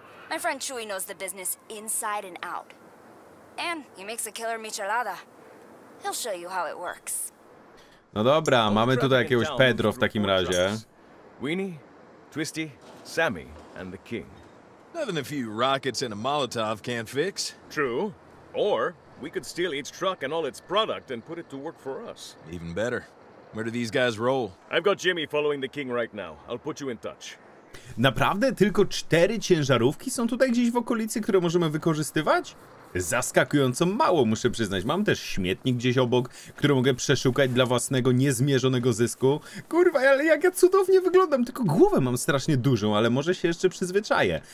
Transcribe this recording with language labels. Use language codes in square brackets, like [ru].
[en] My friend Chewie knows the business inside and out. And he makes a killer michelada. He'll show you how it works. [pl] No dobra, mamy tutaj jakiegoś Pedro w takim razie. [en] Weenie, Twisty, Sammy and the King. Nothing a few rockets and a Molotov can't fix. True. Or we could steal each truck and all its product and put it to work for us. Even better. Where do these guys roll? I've got Jimmy following the King right now. I'll put you in touch. [pl] Naprawdę tylko cztery ciężarówki są tutaj gdzieś w okolicy, które możemy wykorzystywać? Zaskakująco mało, muszę przyznać. Mam też śmietnik gdzieś obok, który mogę przeszukać dla własnego niezmierzonego zysku. Kurwa, ale jak ja cudownie wyglądam, tylko głowę mam strasznie dużą, ale może się jeszcze przyzwyczaję.